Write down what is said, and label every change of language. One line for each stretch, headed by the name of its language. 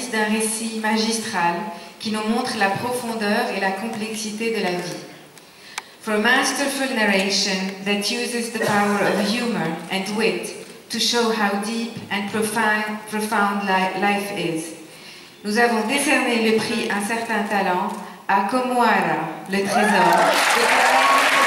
French: récit magistral qui nous montre la profondeur et la complexité de la vie.
English: For a masterful narration that uses the power of humor and wit to show how deep and profound life is.
French: Nous avons décerné le prix Un Certain Talent à Comoara, le trésor.